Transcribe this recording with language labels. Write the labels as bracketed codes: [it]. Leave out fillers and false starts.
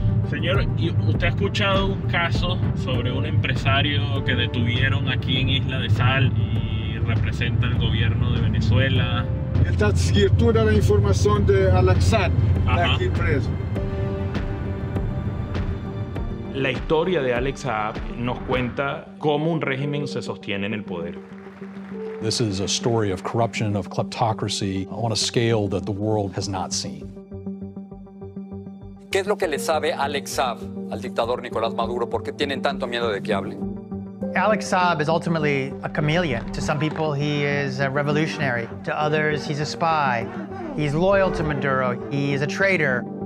[es] Señor, ¿usted ha escuchado un caso sobre un empresario que detuvieron aquí en Isla de Sal y representa al gobierno de Venezuela? Está toda la información de Alex Saab, aquí preso. La historia de Alex Saab nos cuenta cómo un régimen se sostiene en el poder. [en] This is a story of corruption, of kleptocracy on a scale that the world has not seen. [es] ¿Qué es lo que le sabe Alex Saab al dictador Nicolás Maduro? ¿Por qué tienen tanto miedo de que hable? [en] Alex Saab is ultimately a chameleon. To some people, he is a revolutionary. To others, he's a spy. He's loyal to Maduro. He is a traitor.